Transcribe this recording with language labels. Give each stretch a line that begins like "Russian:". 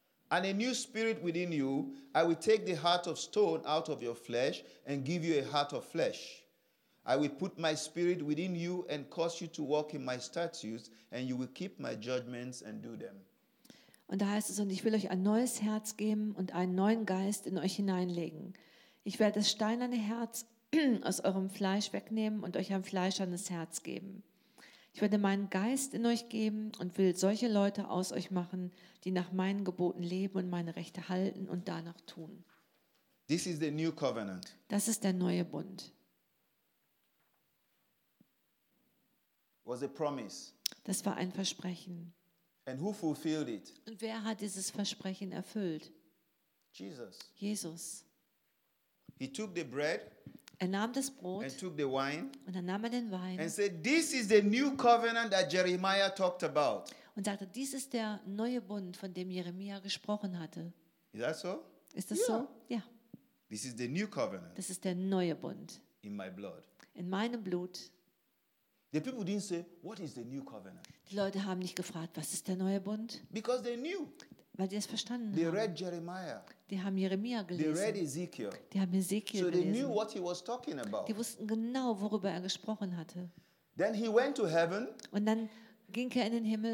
English: And a new spirit within you, I will take the heart of stone out of your flesh and give you a heart of flesh. I will put my spirit within you and cause you to walk in my statutes, and you will keep my judgments and do them.
German: Und da heißt es, und ich will euch ein neues Herz geben und einen neuen Geist in euch hineinlegen. Ich werde das steinerne Herz aus eurem Fleisch wegnehmen und euch ein fleischernes Herz geben. Ich werde meinen Geist in euch geben und will solche Leute aus euch machen, die nach meinen Geboten leben und meine Rechte halten und danach tun.
English: This is the new covenant.
German: Das ist der neue Bund.
English: Was a promise.
German: Das war ein Versprechen.
English: And who fulfilled it?
German: Und wer hat dieses Versprechen erfüllt?
English: Jesus.
German: Jesus.
English: He took the bread.
German: Er nahm das Brot
English: and took the wine,
German: und dann nahm er den Wein
English: and said, "This is the new covenant that Jeremiah talked about."
German: Und sagte, dies ist der neue Bund, von dem Jeremia gesprochen hatte.
English: Is that so?
German: Ist das
English: yeah.
German: so? Ja.
English: This is the new covenant.
German: Das ist der neue Bund.
English: In my blood.
German: In meinem Blut.
English: The people didn't say, "What is the new covenant?"
German: Die Leute haben nicht gefragt, was ist der neue Bund?
English: Because they knew.
German: weil die es verstanden
English: they
German: haben.
English: Read Jeremiah.
German: Die haben Jeremia gelesen.
English: They read Ezekiel.
German: Die haben Ezekiel so gelesen.
English: They knew what he was talking about.
German: Die wussten genau, worüber er gesprochen hatte.
English: Then he went to heaven
German: und dann ging er in den Himmel